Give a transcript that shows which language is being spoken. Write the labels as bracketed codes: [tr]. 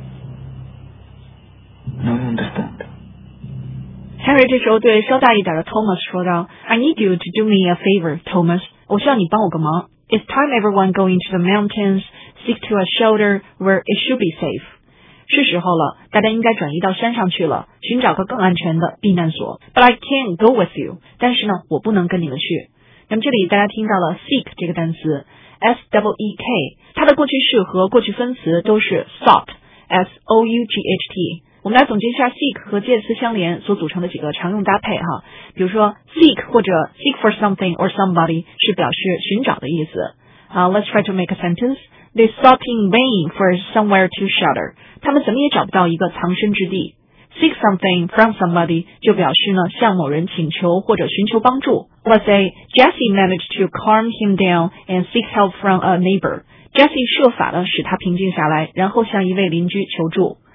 [en] Okay. No, I understand. Harry [zh] 这时候对稍大一点的 [en] Thomas 说道， I need you to do me a favor, Thomas. [zh] 我需要你帮我个忙。 [en] It's time everyone go into the mountains, seek to a shelter where it should be safe. [zh] 是时候了，大家应该转移到山上去了，寻找个更安全的避难所。 [en] But I can't go with you. [zh] 但是呢，我不能跟你们去。那么这里大家听到了 seek 这个单词，S-E-E-K， 它的过去式和过去分词都是 sought, S-O-U-G-H-T。我们来总结一下 seek 和介词相连所组成的几个常用搭配哈。比如说 seek 或者 [en] seek for something or somebody [zh] 是表示寻找的意思。 [en] Let's try to make a sentence. They sought in vain for somewhere to shelter. [zh] 他们怎么也找不到一个藏身之地。 [en] Seek something from somebody [zh] 就表示呢向某人请求或者寻求帮助。 [en] Let's say Jesse managed to calm him down and seek help from a neighbor. [zh] Jesse 设法呢使他平静下来，然后向一位邻居求助。